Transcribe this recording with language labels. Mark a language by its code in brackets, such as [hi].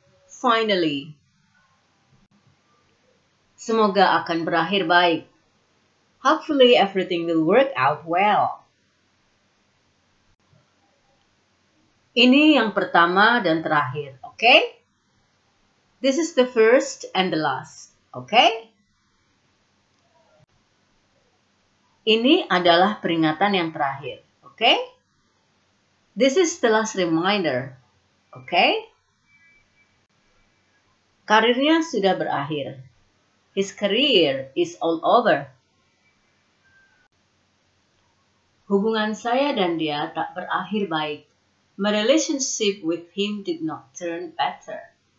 [en] Finally. [id] Semoga akan berakhir baik. [en] Hopefully everything will work out well. [id] Ini yang pertama dan terakhir, okay? [en] This is the first and the last, okay? [id] Ini adalah peringatan yang terakhir, okay? [en] This is the last reminder, okay? [id] Karirnya sudah berakhir. [en] His career is all over. [id] Hubungan saya dan dia tak berakhir baik. [en] My relationship with him did not turn better.